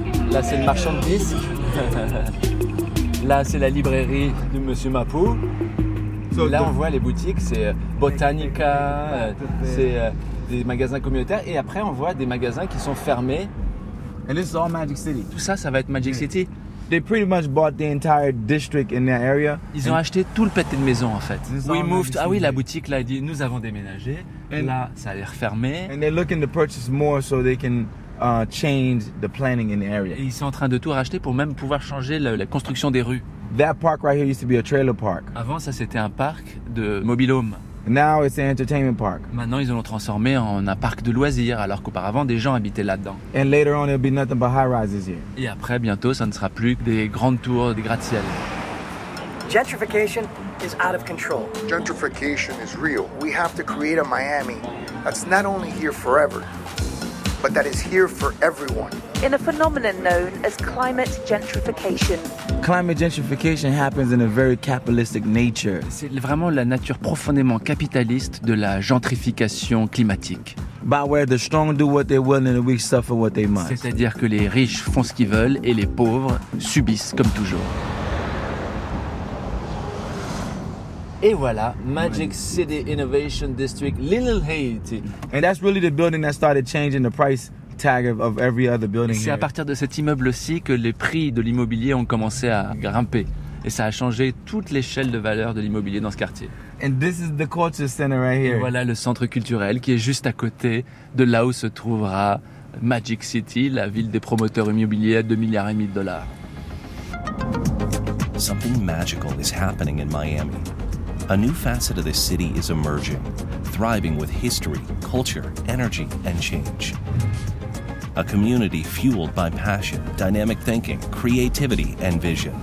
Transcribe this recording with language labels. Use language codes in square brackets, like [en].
[fr] Là, c'est le marchand de disques. Là, c'est la librairie de Monsieur Mapou. Là, on voit les boutiques, c'est Botanica, c'est des magasins communautaires. Et après, on voit des magasins qui sont fermés. [en] And this is all Magic City. [fr] Tout ça, ça va être Magic City. [en] They pretty much bought the entire district in that area. [fr] Ils ont acheté tout le pâté de maison en fait. [en] We moved. [fr] Ah oui, la boutique là, dit nous avons déménagé. [en] And [fr] là, ça a l'air fermé. [en] And they're looking to purchase more so they can change the planning in the area. [fr] Et ils sont en train de tout racheter pour même pouvoir changer la construction des rues. [en] That park right here used to be a trailer park. [fr] Avant, ça c'était un parc de mobile home. [en] Now it's an entertainment park. [fr] Maintenant, ils l'ont transformé en un parc de loisirs, alors qu'auparavant, des gens habitaient là-dedans. [en] And later on, it'll be nothing but high-rises here. [fr] Et après, bientôt, ça ne sera plus que des grandes tours, des gratte-ciels. [en] Gentrification is out of control. Gentrification is real. We have to create a Miami that's not only here forever, but that is here for everyone. In a phenomenon known as climate gentrification. Climate gentrification happens in a very capitalistic nature. [fr] C'est vraiment la nature profondément capitaliste de la gentrification climatique. [en] By where the strong do what they will and the weak suffer what they must. [fr] C'est-à-dire que les riches font ce qu'ils veulent et les pauvres subissent comme toujours. Et voilà, Magic City Innovation District, Little Haiti. [en] And that's really the building that started changing the price tag of every other building. [fr] C'est à partir de cet immeuble aussi que les prix de l'immobilier ont commencé à grimper. Et ça a changé toute l'échelle de valeur de l'immobilier dans ce quartier. [en] And this is the culture center right here. [fr] Et voilà le centre culturel qui est juste à côté de là où se trouvera Magic City, la ville des promoteurs immobiliers à 2,5 milliards de dollars. [en] Something magical is happening in Miami. A new facet of this city is emerging, thriving with history, culture, energy, and change. A community fueled by passion, dynamic thinking, creativity, and vision.